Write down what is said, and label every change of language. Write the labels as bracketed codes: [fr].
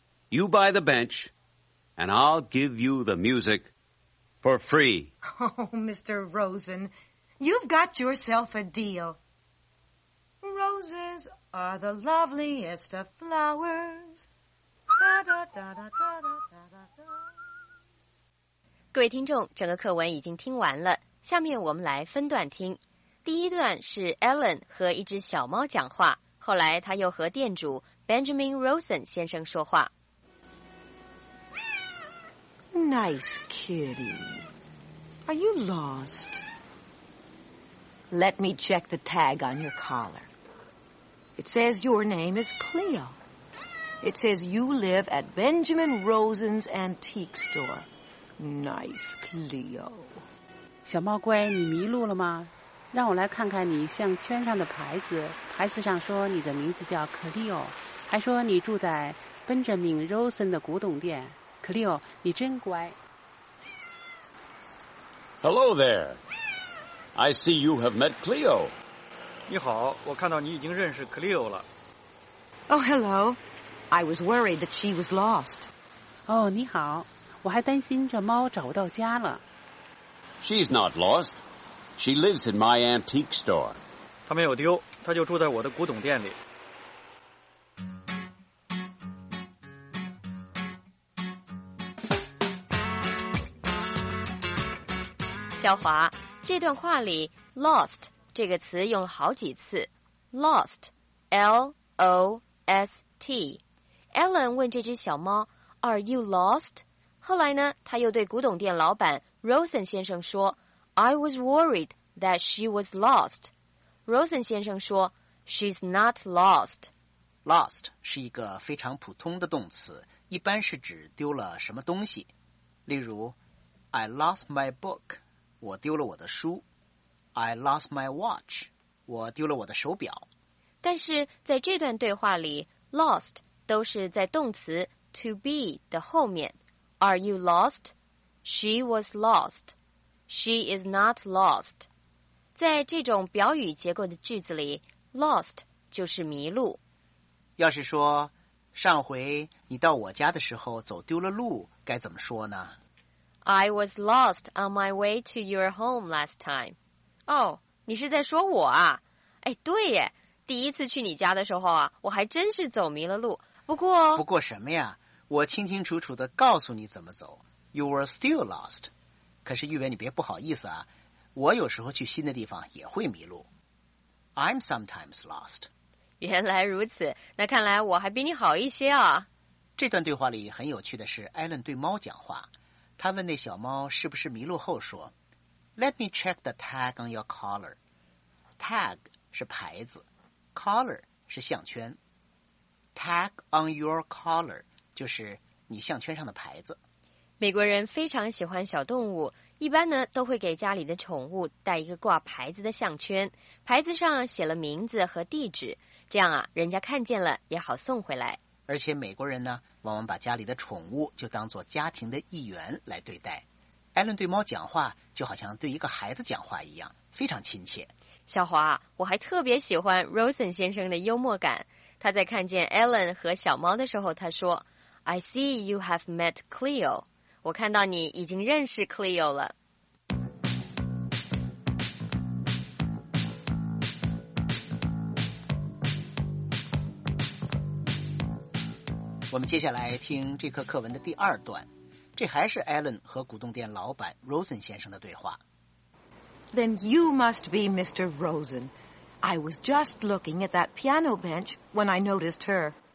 [en] You buy the bench, and I'll give you the music for free. Oh, Mr. Rosen, you've got yourself a deal. Roses are the loveliest of flowers. Da, da, da, da, da, da, da, da. [zh] 各位听众，整个课文已经听完了，下面我们来分段听。第一段是 Ellen 和一只小猫讲话，后来他又和店主 Benjamin Rosen 先生说话。 [en] Nice kitty. Are you lost? Let me check the tag on your collar. It says your name is Cleo. It says you live at Benjamin Rosen's antique store. Nice Cleo. [zh] 小猫乖，你迷路了吗？让我来看看你项圈上的牌子，牌子上说你的名字叫 Cleo， 还说你住在 Benjamin Rosen 的古董店。 Cleo， 你真乖。 [en] Hello there. I see you have met Cleo. [zh] 你好，我看到你已经认识 Cleo 了。 [en] Oh, hello. I was worried that she was lost. [zh] 哦，你好，我还担心这猫找不到家了。 [en] She's not lost. She lives in my antique store. [zh] 她没有丢，她就住在我的古董店里。小华，这段话里 lost 这个词用了好几次。 [en] Lost, L-O-S-T. [zh] Ellen 问这只小猫 , Are you lost? 后来呢，他又对古董店老板 Rosen 先生说 , I was worried that she was lost. Rosen 先生说 , She's not lost. Lost 是一个非常普通的动词，一般是指丢了什么东西。 [en] 例如 ,I lost my book. [zh] 我丢了我的书。 [en] I lost my watch，我丢了我的手表。 [zh] 但是在这段对话里， lost 都是在动词 to be 的后面。 [en] Are you lost? She was lost. She is not lost. [zh] 在这种表语结构的句子里， lost 就是迷路。要是说上回你到我家的时候走丢了路，该怎么说呢？ [en] I was lost on my way to your home last time. [zh] 哦，你是在说我啊？哎，对耶，第一次去你家的时候啊，我还真是走迷了路。不过什么呀？我清清楚楚地告诉你怎么走。 [en] You were still lost. [zh] 可是玉伟，你别不好意思啊，我有时候去新的地方也会迷路。 [en] I'm sometimes lost. [zh] 原来如此，那看来我还比你好一些啊。这段对话里很有趣的是，艾伦对猫讲话。他问那小猫是不是迷路后说 Let me check the tag on your collar. Tag 是牌子， collar 是项圈。 Tag on your collar 就是你项圈上的牌子。美国人非常喜欢小动物，一般呢都会给家里的宠物带一个挂牌子的项圈，牌子上写了名字和地址，这样啊人家看见了也好送回来。而且美国人呢，往往把家里的宠物就当作家庭的一员来对待。艾伦对猫讲话，就好像对一个孩子讲话一样，非常亲切。小华，我还特别喜欢 Rosen 先生的幽默感。他在看见艾伦和小猫的时候，他说 ： “I see you have met Cleo。” 我看到你已经认识 Cleo 了。我们接下来听这课课文的第二段，这还是艾伦和古董店老板 Rosen 先生的对话。 [en] Then you must be Mr. Rosen. I was just looking at that piano bench when I noticed her.